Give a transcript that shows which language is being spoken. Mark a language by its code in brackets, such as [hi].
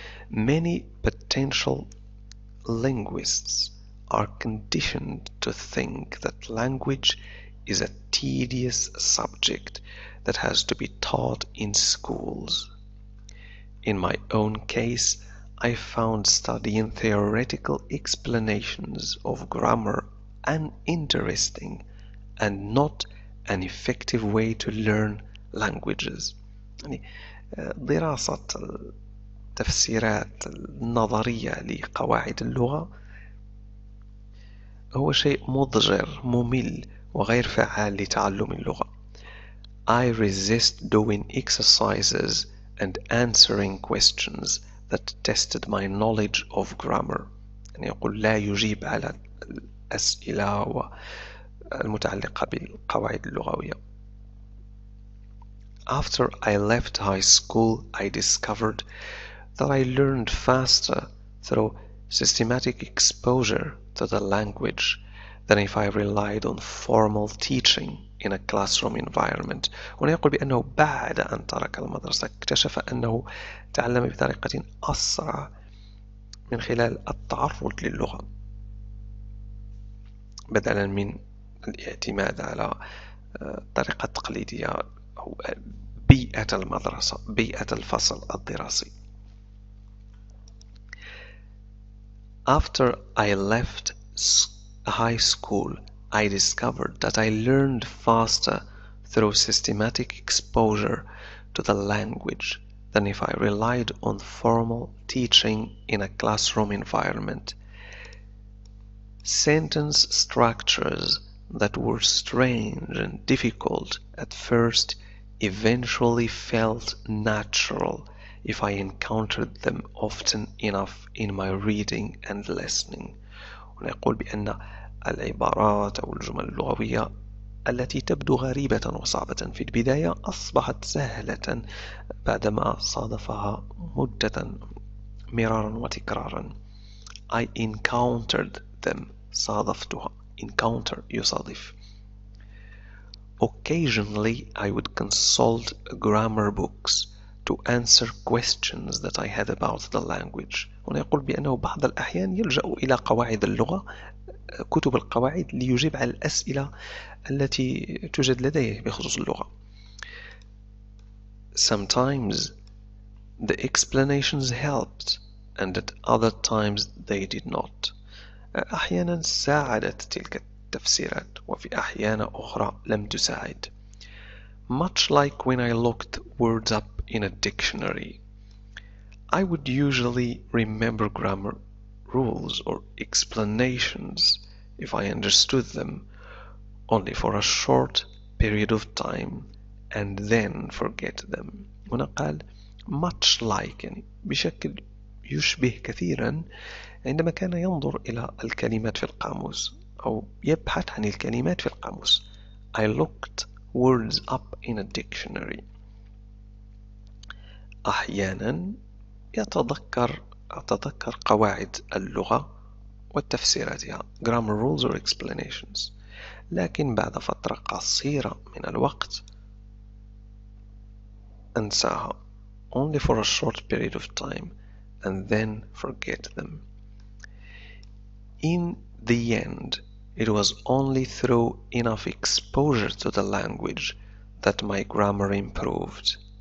[en] Many potential linguists are conditioned to think that language is a tedious subject that has to be taught in schools. In my own case, I found studying theoretical explanations of grammar uninteresting and not an effective way to learn languages. [ar] يعني دراسة التفسيرات النظرية لقواعد اللغة هو شيء مضجر ممل وغير فعال لتعلم اللغة. [en] I resist doing exercises and answering questions that tested my knowledge of grammar. [ar] يعني يقول لا يجيب على الأسئلة المتعلقة بالقواعد اللغوية. [en] After I left high school, I discovered that I learned faster through systematic exposure to the language than if I relied on formal teaching in a classroom environment. [ar] ويقول بأنه بعد أن ترك المدرسة اكتشف أنه تعلم بطريقة أسرع من خلال التعرض للغة بدلا من الاعتماد على طريقة تقليدية أو بيئة المدرسة، بيئة الفصل الدراسي. [en] After I left high school, I discovered that I learned faster through systematic exposure to the language than if I relied on formal teaching in a classroom environment. Sentence structures that were strange and difficult at first eventually felt natural if I encountered them often enough in my reading and listening. [ar] ونقول بأن العبارات أو الجمل اللغوية التي تبدو غريبة وصعبة في البداية أصبحت سهلة بعدما صادفها مدة مرارا وتكرارا. [en] I encountered them. صادفتها. Encounter يصادف. Occasionally I would consult grammar books to answer questions that I had about the language. [ar] ونقول بأنه بعض الأحيان يلجأ إلى قواعد اللغة، كتب القواعد، ليجيب على الأسئلة التي توجد لديه بخصوص اللغة. [en] Sometimes the explanations helped and at other times they did not. [ar] أحيانا ساعدت تلك التفسيرات وفي أحيان أخرى لم تساعد. [en] Much like when I looked words up in a dictionary, I would usually remember grammar rules or explanations if I understood them only for a short period of time and then forget them. [ar] هنا قال [en] much like، [ar] يعني بشكل يشبه كثيرا، عندما كان ينظر إلى الكلمات في القاموس أو يبحث عن الكلمات في القاموس. [en] I looked words up in a dictionary. [ar] أحيانا أتذكر قواعد اللغة وتفسيراتها، [en] grammar rules or explanations، [ar] لكن بعد فترة قصيرة من الوقت [en] أنساها only for a short period of time and then forget them. In the end, it was only through enough exposure to the language that my grammar improved.